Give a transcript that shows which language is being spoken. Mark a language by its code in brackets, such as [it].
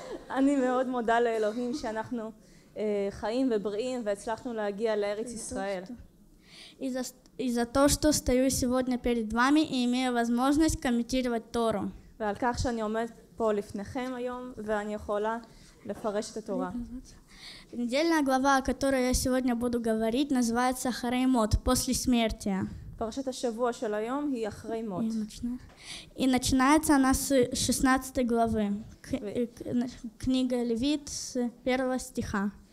[he] אני מאוד מודה לאלוהים שאנחנו חיים ובריאים והצלחנו להגיע לארץ ישראל. [ru] И за то, что стою сегодня перед вами и имею возможность комментировать Тору. [he] ועל כך שאני עומד פה לפניכם היום ואני יכולה לפרש את התורה. [ru] Недельная глава, о которой я сегодня буду говорить, называется «Ахреймот» – «После смерти». [he] Парашата шавуа шел айом и Ахреймот. [ru] И начинается она с 16 главы, книга Левит, с 1 стиха.